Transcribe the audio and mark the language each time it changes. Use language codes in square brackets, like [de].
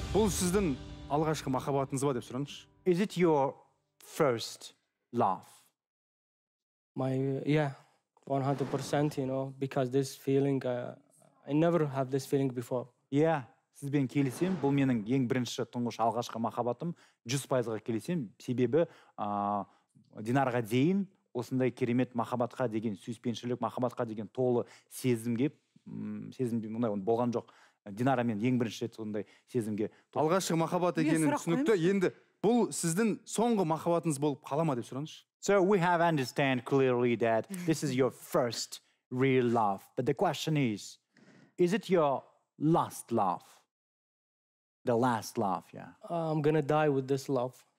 [kk] Сіздің алғашқы махаббатыңыз ба деп сұраңыз. [en] Is it your first love? Yeah, 100%, you know, because this feeling, I never have this feeling before. [kk] Yeah, сізбен келісем, бұл менің ең бірінші тұңғыш алғашқы махаббатым. 100%-ға келісем, себебі Динарға дейін осындай керемет махаббатқа деген сүйіспеншілік, махаббатқа деген толы сезімге, сезімде мұндай болған жоқ. Динара мен ең бірінші рет сондай сезімге алғашқы махаббат екенін түсінікті. Енді бұл сіздің соңғы махаббатыңыз болып қала ма деп сұраңыз. [en] So we have understand clearly that this is your first real love. But the question is it your last love? The last love, yeah. I'm going to die with this love.